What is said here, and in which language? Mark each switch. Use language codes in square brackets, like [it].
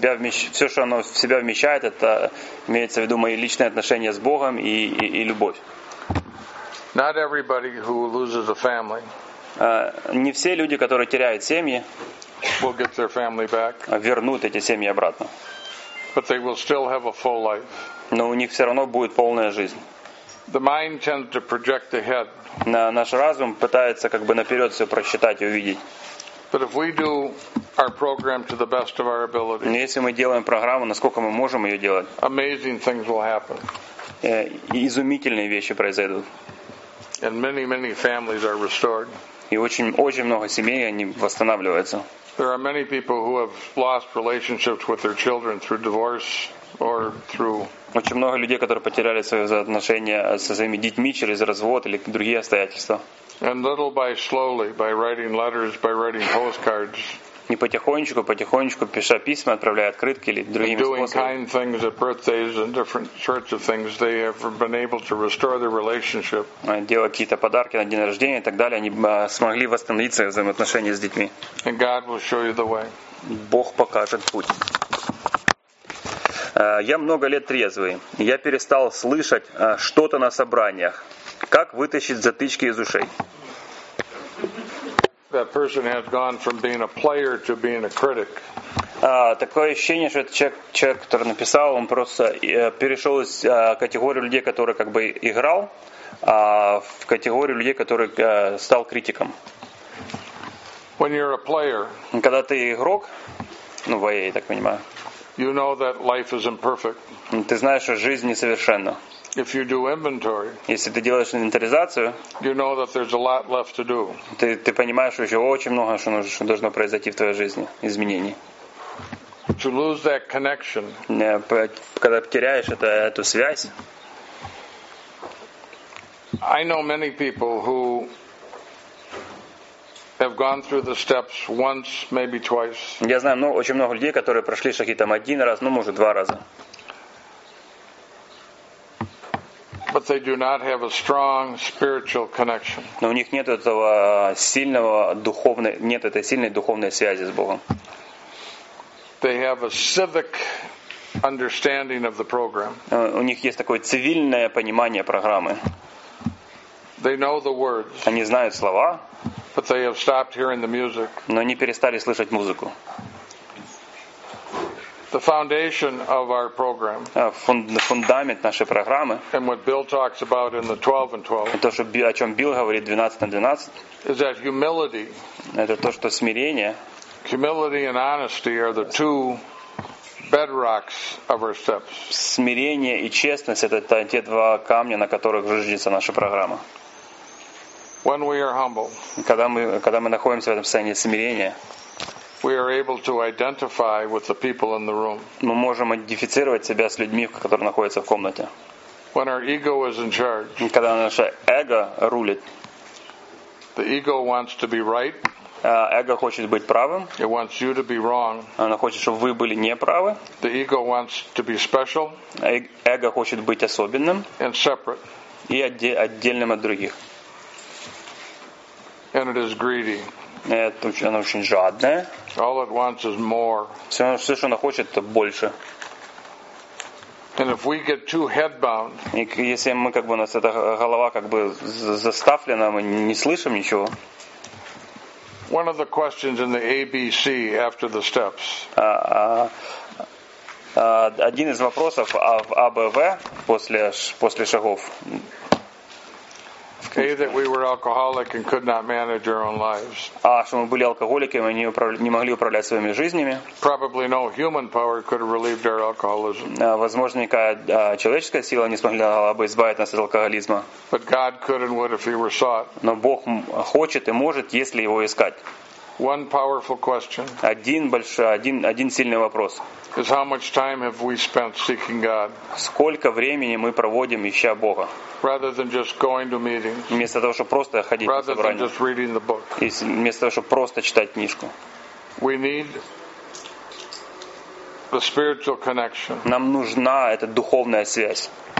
[ru] Все, что оно в себя вмещает, это имеется в виду мои личные отношения с Богом и любовь. [en] Not everybody who loses a family. [ru] Не все люди, которые теряют семьи, [en] will get their family back. [ru] Вернут эти семьи обратно. [en] But they will still have a full life. [ru] Но у них все равно будет полная жизнь. [en] The mind tends to project ahead. [ru] Наш разум пытается как бы наперед все просчитать и увидеть. [en] But if we do our program to the best of our ability. [ru] Но если мы делаем программу, насколько мы можем ее делать. [en] Amazing things will happen. [ru] Изумительные вещи произойдут. [en] And many, many families are restored. [ru] И очень, очень много семей они восстанавливаются. [en] There are many people who have lost relationships with their children through divorce or through. [ru] Очень много людей, которые потеряли свои отношения со своими детьми через развод или другие обстоятельства. [en] And little by slowly, by writing letters, by writing postcards. [ru] не потихонечку, потихонечку, пиша письма, отправляя открытки или другими способами. Делая какие-то подарки на день рождения и так далее, они смогли восстановить свои взаимоотношения с детьми. [en] And God will show you the way. [ru] Бог покажет путь. Я много лет трезвый. Я перестал слышать что-то на собраниях. Как вытащить затычки из ушей? [en] That person has gone from being a player to being a critic. [ru] Такое ощущение, что это человек, который написал, он просто перешел из категории людей, которые как бы играл, в категорию людей, которые стал критиком. [en] When you're a player, [ru] когда ты игрок, ну, в АЭ, я так понимаю, [en] you know that life is imperfect. [ru] Ты знаешь, что жизнь несовершенна. [en] If you do inventory, [ru] если ты делаешь инвентаризацию, [en] you know that there's a lot left to do. [ru] Ты понимаешь, что еще очень много, что должно произойти в твоей жизни, изменений. [en] To lose that connection, [ru] когда теряешь эту связь, [en] I know many people who have gone through the steps once, maybe twice. [ru] Я знаю, ну, очень много людей, которые прошли шаги там один раз, ну, может, два раза. [en] But they do not have a strong spiritual connection. [ru] Но у них нет этого сильного духовной, нет этой сильной духовной связи с Богом. [en] They have a civic understanding of the program. [ru] У них есть такое цивильное понимание программы. [en] They know the words. [ru] Они знают слова. [en] But they have stopped hearing the music. [ru] Но они перестали слышать музыку. [en] The foundation of our program. [ru] Фундамент нашей программы. [en] And what Bill talks about in the 12 and 12. [ru] То, что, о чем Билл говорит 12 на 12. [en] Is that humility. [ru] Это то, что смирение. [en] Humility and honesty are the two bedrocks of our steps. [ru] Смирение и честность — это те два камня, на которых держится наша программа. [en] When we are humble. [ru] Когда мы находимся в этом состоянии смирения. [en] We are able to identify with the people in the room. [ru] Мы можем идентифицировать себя с людьми, которые находятся в комнате. [en] When our ego is in charge. [ru] Когда наше эго рулит. [en] The ego wants to be right. [ru] Эго хочет быть правым. [en] It wants you to be wrong. [ru] Оно хочет, чтобы вы были неправы. [en] The ego wants to be special. [ru] Эго хочет быть особенным. [en] And separate. [ru] И отдельным от других. [en] And it is greedy. [ru] Она очень жадная. [en] All it wants is more. [ru] Все, что она хочет, это больше. [en] And if we get too headbound, [ru] и если мы как бы у нас эта голова как бы заставлена, мы не слышим ничего. [en] One of the questions in the ABC after the steps. [ru] Один из вопросов в АБВ после шагов. [en] A, that we were alcoholic and could not manage our own lives. [ru] Что мы были алкоголиками, мы не могли управлять своими жизнями. [en] Probably no human power could have relieved our alcoholism. [ru] Возможно, никакая человеческая сила не смогла бы избавить нас от алкоголизма. [en] But God could and would if He were sought. [ru] Но Бог хочет и может, если его искать. [en] One powerful question. [ru] Один сильный вопрос. [en] Is how much time have we spent seeking God? [ru] Сколько времени мы проводим, ища Бога? [en] Rather than just going to meetings. [ru] Вместо того, чтобы просто ходить на собрания. [en] Rather than just reading the book. [ru] Вместо того, чтобы просто читать книжку. [en] We need the spiritual connection. [ru] Нам нужна эта духовная связь.